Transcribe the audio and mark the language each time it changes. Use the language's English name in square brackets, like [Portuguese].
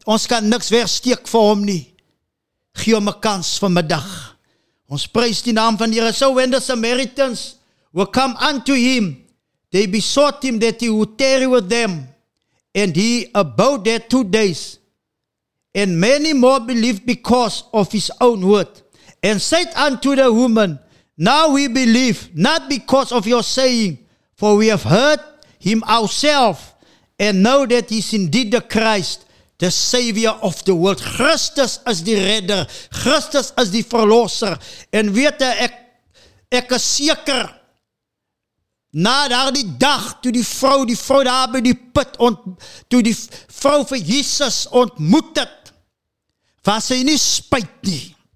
[Afrikaans] Ons kan niks wegsteek vir hom nie. Gee hom 'n kans vanmiddag. Ons prys die naam van die Here. [English] So when the Samaritans will come unto him, they besought him that he would tarry with them. And he abode there 2 days. And many more believed because of his own word. And said unto the woman, now we believe, not because of your saying, for we have heard him ourselves, and know that he is indeed the Christ, the Savior of the world. [Afrikaans] Christus is die redder. Christus is die verlosser. En weet ek is seker, na daar die dag, toe die vrou daar by die put, toe die vrou vir Jesus ontmoet het, was sy nie spyt nie.